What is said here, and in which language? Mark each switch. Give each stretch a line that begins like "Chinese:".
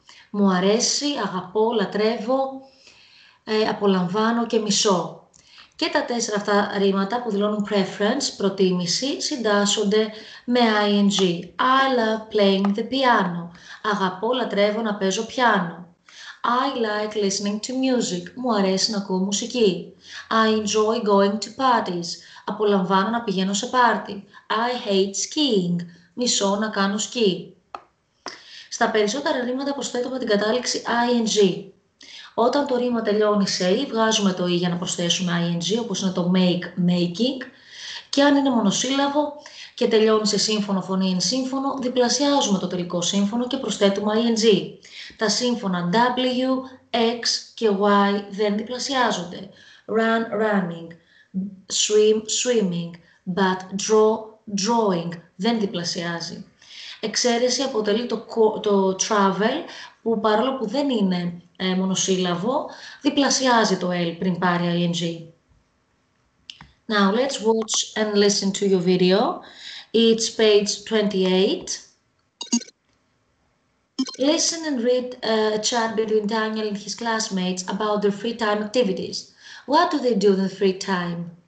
Greek: Μου αρέσει, αγαπώ, λατρεύω, απολαμβάνω και μισώ. Και τα τέσσερα αυτά ρήματα που δηλώνουν preference, προτίμηση, συντάσσονται με ing.
English: I love playing the piano.
Greek: Αγαπώ, λατρεύω να παίζω πιάνο.
English: I like listening to music.
Greek: Μου αρέσει να ακούω μουσική.
English: I enjoy going to parties.
Greek: Απολαμβάνω να πηγαίνω σε πάρτι.
English: I hate skiing.
Greek: Μισώ να κάνω σκι. Στα περισσότερα ρήματα προσθέτουμε την κατάληξη ing. Όταν το ρήμα τελειώνει σε «η», βγάζουμε το «η» για να προσθέσουμε «ing», όπως είναι το «make», «making». Και αν είναι μονοσύλλαβο και τελειώνει σε σύμφωνο φωνή «in» σύμφωνο, διπλασιάζουμε το τελικό σύμφωνο και προσθέτουμε «ing». Τα σύμφωνα «w», «x» και «y» δεν διπλασιάζονται. «Run» – «running», «swim» – «swimming», «but» – «draw» – «drawing» δεν διπλασιάζει. Εξαίρεση αποτελεί το «travel», που παρόλο που δεν είναι μονοσύλλαβο, διπλασιάζει το L πριν πάρει ING.
English: Now let's watch and listen to your video. It's page 28. Listen and read a chat between Daniel and his classmates about their free time activities. What do they do in their free time?